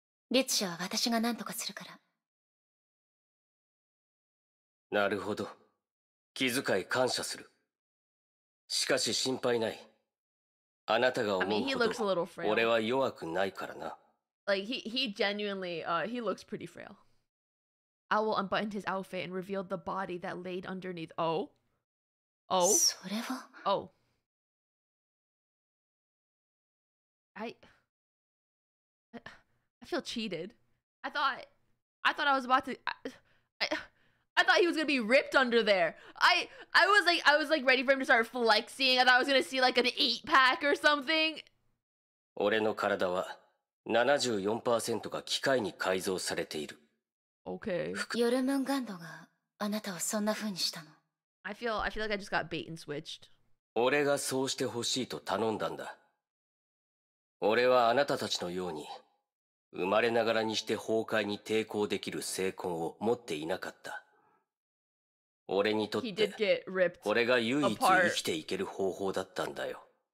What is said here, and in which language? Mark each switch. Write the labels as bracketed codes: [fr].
[ja] リッツ社は私が何とかするから。なるほど、気遣い感謝する。しかし心配ない。あなたが思うほど俺は弱くないからな。 [en] Like he genuinely he looks pretty frail. Owl unbuttoned his outfit and revealed the body that laid underneath. Oh? Oh? [ja] それは [en] Oh. I feel cheated. I thought I was about to. I thought he was gonna be ripped under there. I was like ready for him to start flexing. I thought I was gonna see like an 8-pack or something. [ja] 俺の体は 74% が機械に改造されている。 [en] Okay. [ja] ヨルムンガンドがあなたをそんな風にしたの。 [en] I feel like I just got bait and switched. [ja] 俺がそうしてほしいと頼んだんだ。俺はあなたたちのように。生まれながらにして崩壊に抵抗できる精魂を持っていなかった。俺にとって俺が唯一生きていける方法だったんだよ。